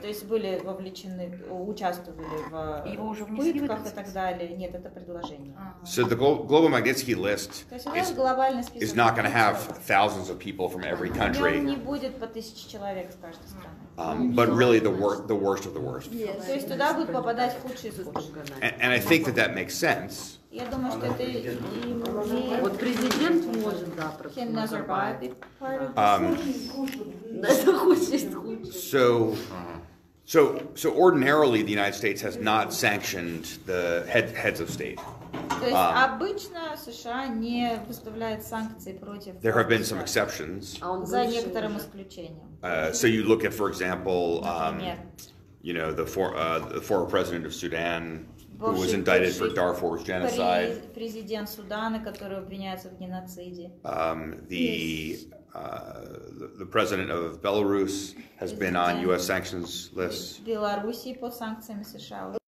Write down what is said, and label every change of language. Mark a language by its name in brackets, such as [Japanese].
[Russian] То есть были вовлечены, участвовали в пытках и так далее. Нет, это предложение. [English] So the global Magnitsky list is not going to have thousands of people from every country. [Russian] В нем не будет по тысяче человек с каждой страны. [English] But really the worst of the worst. Yes. [Russian] То есть туда будут попадать худшие из худших. [English] And I think that makes sense. [Russian] Я думаю, что это и... Вот президент может, да, просто. Да, это худшие из худших. [English] So ordinarily the United States has not sanctioned the heads of state. [Russian] То есть обычно США не выставляет санкции против. [English] There have been some exceptions. [Russian] За некоторым исключением. [English] So you look at, for example, the former president of Sudan, who was indicted for Darfur's genocide. [Russian] Президент Судана, который обвиняется в геноциде. [English] The president of Belarus has been on U.S. sanctions lists. [Russian] Белоруссии под санкциями США.